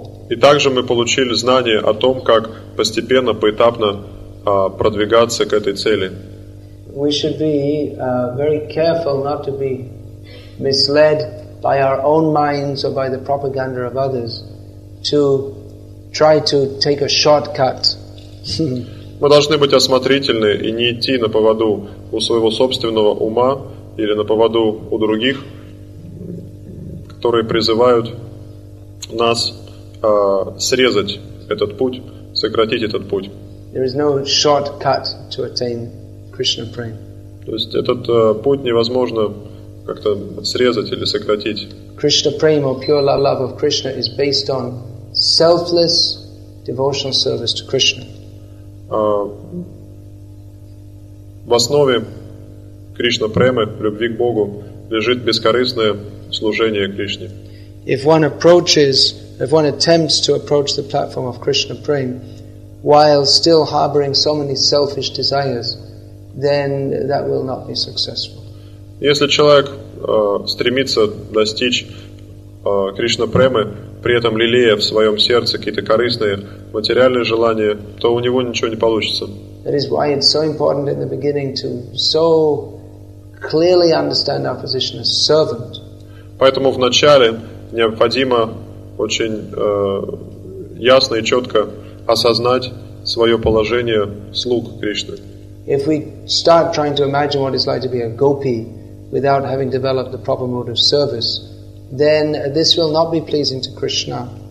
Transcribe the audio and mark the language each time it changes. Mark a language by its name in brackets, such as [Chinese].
[Russian] И также мы получили знания о том, как постепенно, поэтапно продвигаться к этой цели. [English] We should be very careful not to be misled by our own minds or by the propaganda of others, to try to take a shortcut. [Russian] Мы должны быть осмотрительны и не идти на поводу у своего собственного ума или на поводу у других, которые призывают нас срезать этот путь, сократить этот путь. [English] There is no shortcut to attain Krishna prema. [Russian] То есть этот путь невозможно как-то срезать или сократить. [English] Krishna prema, or pure love of Krishna, is based on selfless devotional service to Krishna. [Russian] В основе Кришна премы, любви к Богу, лежит бескорыстное служение Кришне. [English] If one attempts to approach the platform of Krishna prema while still harboring so many selfish desires, then that will not be successful. [Russian] Если человек стремится достичь Кришна премы, при этом лелея в своем сердце какие-то корыстные материальные желания, то у него ничего не получится. [English] That is why it's so important in the beginning to so clearly understand our position as servant. [Russian] Поэтому в начале необходимо очень ясно и четко осознать свое положение слуг Кришны. [English] If we start trying to imagine what it's like to be a gopi without having developed the proper mode of service, then this will not be pleasing to Krishna.